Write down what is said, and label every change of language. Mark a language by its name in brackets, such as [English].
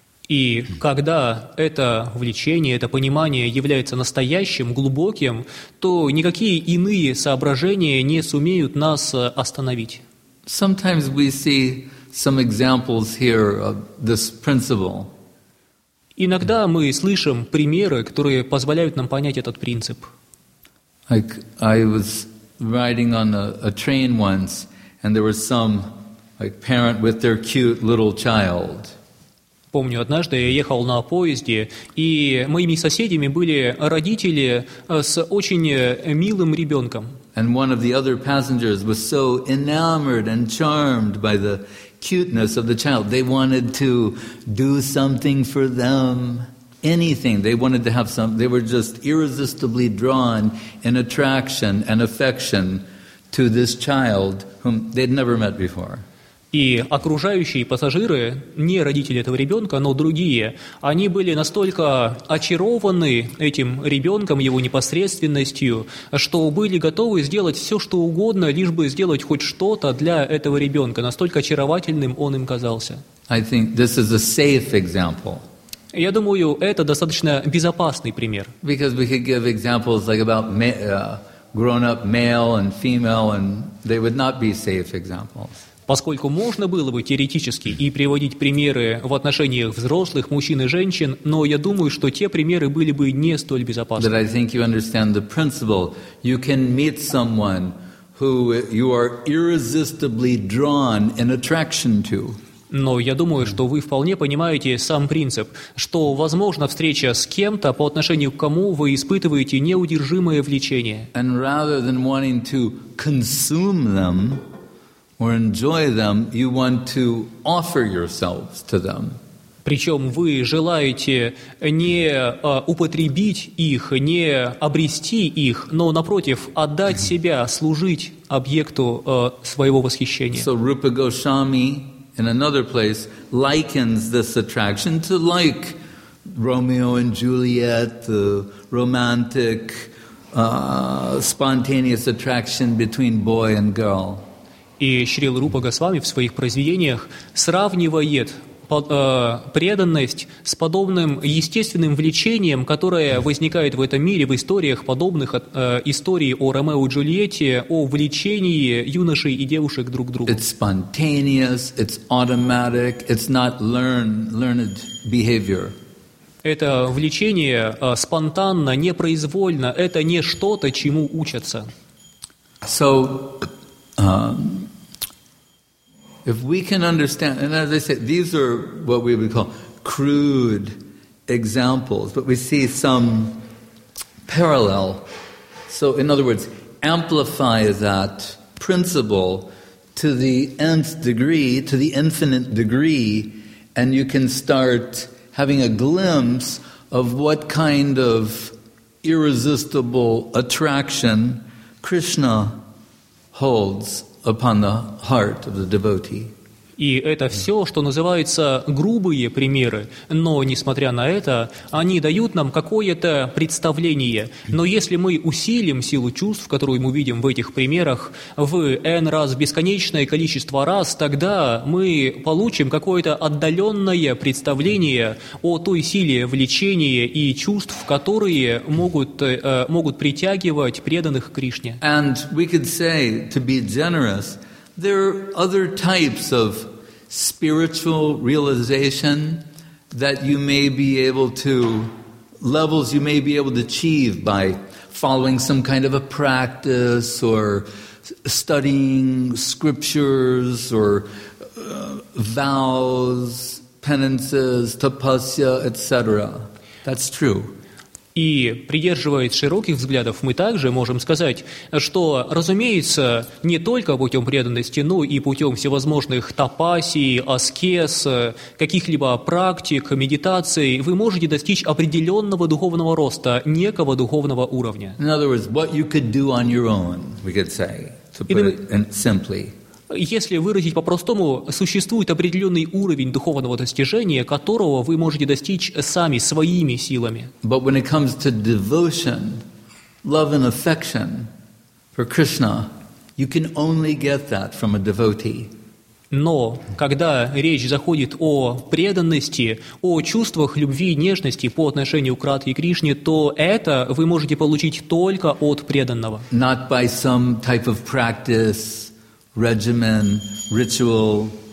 [Russian] И когда это влечение, это понимание является настоящим, глубоким, то никакие иные соображения не сумеют нас остановить. [English] Sometimes we see some examples here of this principle. [Russian] Иногда мы слышим примеры, которые позволяют нам понять этот принцип. [English] Like I was riding on a train once, and there was some like parent with their cute little child. [Russian] Помню, однажды я ехал на поезде, и моими соседями были родители с очень милым ребенком. [English] And one of the other passengers was so enamored and charmed by the cuteness of the child. They wanted to do something for them, anything. They wanted to have some. They were just irresistibly drawn in attraction and affection to this child whom they'd never met before. [Russian] И окружающие пассажиры, не родители этого ребенка, но другие, они были настолько очарованы этим ребенком, его непосредственностью, что были готовы сделать все, что угодно, лишь бы сделать хоть что-то для этого ребенка. Настолько очаровательным он им казался. [English] I think this is a safe example. [Russian] Я думаю, это достаточно безопасный пример. [English] Because we could give examples like about grown-up male and female, and they would not be safe examples. [Russian] Поскольку можно было бы теоретически и приводить примеры в отношениях взрослых мужчин и женщин, но я думаю, что те примеры были бы не столь безопасны. [English] But I think you understand the principle. You can meet someone who you are irresistibly drawn in attraction to. [Russian] Но я думаю, что вы вполне понимаете сам принцип, что возможна встреча с кем-то, по отношению к кому вы испытываете неудержимое влечение. [English] And rather than wanting to consume them, or enjoy them, you want to offer yourselves to them. [Russian] Причем вы желаете не употребить их, не обрести их, но напротив, отдать себя, служить объекту своего восхищения. [English] So Rupa Goswami, in another place, likens this attraction to like Romeo and Juliet, the romantic, spontaneous attraction between boy and girl. [Russian] И Шрила Рупа Госвами в своих произведениях сравнивает преданность с подобным естественным влечением, которое возникает в этом мире в историях, подобных истории о Ромео и Джульетте, о влечении юношей и девушек друг к другу. [English] It's spontaneous, it's automatic, it's not learned behavior. [Russian] Это влечение спонтанно, непроизвольно, это не что-то, чему учатся. [English] So, if we can understand, and as I said, these are what we would call crude examples, but we see some parallel. So in other words, amplify that principle to the nth degree, to the infinite degree, and you can start having a glimpse of what kind of irresistible attraction Krishna holds upon the heart of the devotee. [Russian] И это все, что называется грубые примеры, но, несмотря на это, они дают нам какое-то представление. Но если мы усилим силу чувств, которую мы видим в этих примерах, в n раз, бесконечное количество раз, тогда мы получим какое-то отдаленное представление о той силе влечения и чувств, которые могут притягивать преданных Кришне. [English] And we could say, to be generous, there are other types of spiritual realization that you may be able to, levels you may be able to achieve by following some kind of a practice or studying scriptures or vows, penances, tapasya, etc. That's true. [Russian] И, придерживаясь широких взглядов, мы также можем сказать, что, разумеется, не только путем преданности, но и путем всевозможных тапасий, аскез, каких-либо практик, медитаций, вы можете достичь определенного духовного роста, некого духовного уровня. [English] In other words, what you could do on your own, we could say, to put it simply. [Russian] Если выразить по-простому, существует определенный уровень духовного достижения, которого вы можете достичь сами, своими силами. [English] But when it comes to devotion, love and affection for Krishna, you can only get that from a devotee. [Russian] Но когда речь заходит о преданности, о чувствах любви и нежности по отношению к Радхе и Кришне, то это вы можете получить только от преданного. [English] Not by some type of practice, regimen, ritual,